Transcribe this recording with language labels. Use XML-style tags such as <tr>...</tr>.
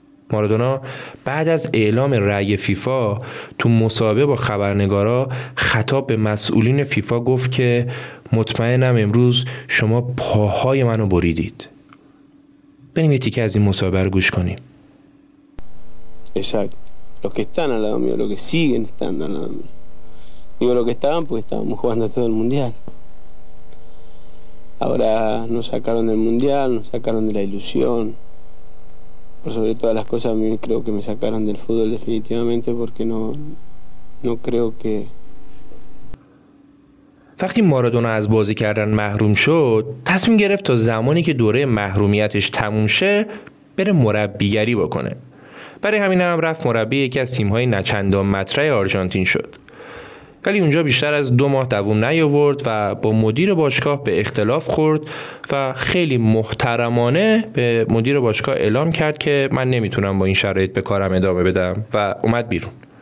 <fa>مارادونا بعد از اعلام رأی فیفا تو مصاحبه با خبرنگارا خطاب به مسئولین فیفا گفت که مطمئنم امروز شما پاهای منو بریدید. بریم یه تیکه از این مصاحبه رو گوش کنیم.</fa> <es>Exacto. Los que están al lado mío, los que siguen estando al lado mío. Digo los que estaban porque estábamos jugando todo el mundial. Ahora nos sacaron del mundial, nos sacaron de la ilusión. Por sobre todas las cosas, a mí creo que me sacaron del fútbol definitivamente porque no creo que...</es> <fa>وقتی مارادونا از بازی کردن محروم شد، تصمیم گرفت تا زمانی که دوره محرومیتش تموم شه بره مربیگری بکنه. برای همین هم رفت مربی یکی از تیم‌های نچندان مطرح آرژانتین شد. ولی اونجا بیشتر از 2 ماه دوام نیاورد و با مدیر باشگاه به اختلاف خورد و خیلی محترمانه به مدیر باشگاه اعلام کرد که من نمیتونم با این شرایط به کارم ادامه بدم و اومد بیرون.</fa>